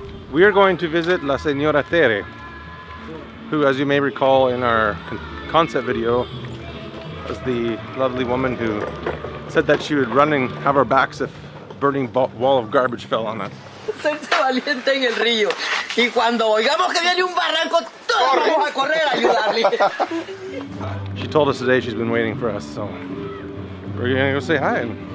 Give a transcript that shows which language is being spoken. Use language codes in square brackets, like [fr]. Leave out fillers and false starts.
[en] We are going to visit La Señora Tere, who, as you may recall in our concept video, was the lovely woman who said that she would run and have our backs if a burning wall of garbage fell on us. [es] Sense valiente en el río. Y cuando oigamos que viene un barranco, todos vamos a correr a ayudarle. [en] She told us today she's been waiting for us, so we're going to go say hi.